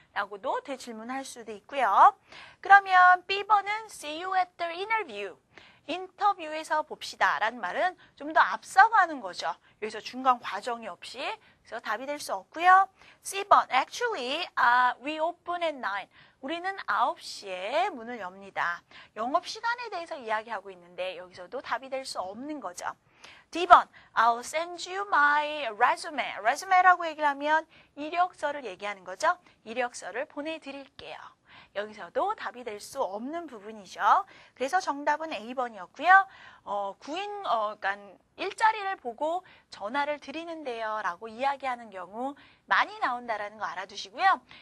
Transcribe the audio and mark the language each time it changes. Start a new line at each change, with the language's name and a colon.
Korean: 라고도 대질문할 수도 있고요. 그러면 B번은
English: See you at the interview.
Korean: 인터뷰에서 봅시다 라는 말은 좀 더 앞서가는 거죠. 여기서 중간 과정이 없이 그래서 답이 될 수 없고요. C번,
English: actually, we open at 9.
Korean: 우리는 9시에 문을 엽니다. 영업시간에 대해서 이야기하고 있는데 여기서도 답이 될 수 없는 거죠. D번,
English: I'll send you my resume.
Korean: Resume라고 얘기를 하면 이력서를 얘기하는 거죠. 이력서를 보내드릴게요. 여기서도 답이 될 수 없는 부분이죠. 그래서 정답은 A번이었고요. 구인 일자리를 보고 전화를 드리는데요 라고 이야기하는 경우 많이 나온다라는 거 알아두시고요.